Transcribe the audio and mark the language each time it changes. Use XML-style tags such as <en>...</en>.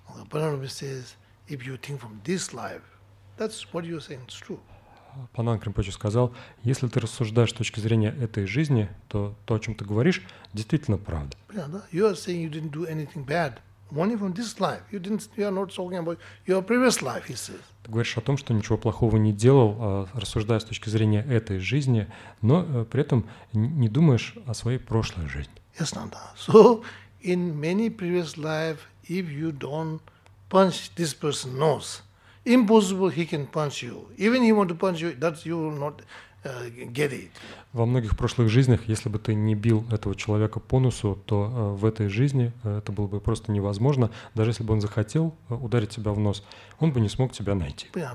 <ru>Панан Гримпоча сказал, если ты рассуждаешь с точки зрения этой жизни, то о чем ты говоришь, действительно правда.</ru> <en>You are saying you didn't do anything bad. money from this life. You didn't. You are not talking about your previous life. He says.</en> <ru>Ты говоришь о том, что ничего плохого не делал, рассуждая с точки зрения этой жизни, но при этом не думаешь о своей прошлой жизни.</ru> <en>Yes, Nanda. So in many previous life, if you don't punch this person nose, impossible he can punch you. Even he want to punch you, that you will not. Get it.</en> <ru>Во многих прошлых жизнях, если бы ты не бил этого человека по носу, то в этой жизни это было бы просто невозможно. Даже если бы он захотел ударить тебя в нос, он бы не смог тебя найти.</ru>